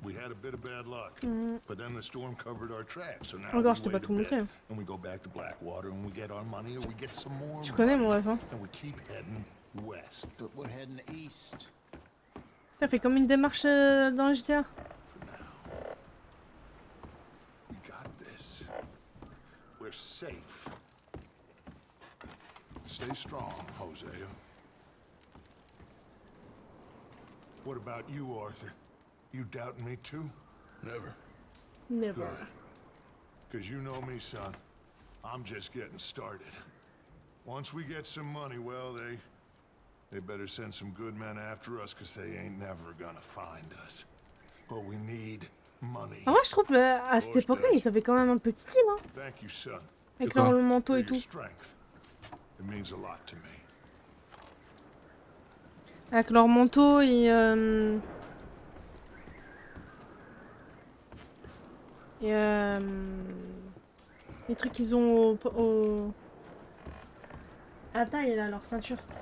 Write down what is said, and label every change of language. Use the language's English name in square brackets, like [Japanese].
[English] We had a bit of bad luck, but then the storm covered our tracks, so now [French] regarde, je t'ai pas tout montré. [English] And we go back to Blackwater and we get our money or we get some more. [French] Tu connais mon rêve, hein? [English] And we keep heading west, but we're heading east. [French] Ça fait comme une démarche dans le GTA. [English] We got this. We're safe. Stay strong, Jose. What about you, Arthur? You doubt me too? Never. Never. Because you know me, son. I'm just getting started. Once we get some money, well, they better send some good men after us, because they ain't never gonna find us. But we need money. [French] Ah, moi, je trouve à cette époque-là, ils avaient quand même un petit team, hein. [English] Thank you, son. [French] Avec leur le manteau et tout. [English] Strength. It means a lot to me. [French] Avec leur manteau et les trucs qu'ils ont à taille là, leur ceinture.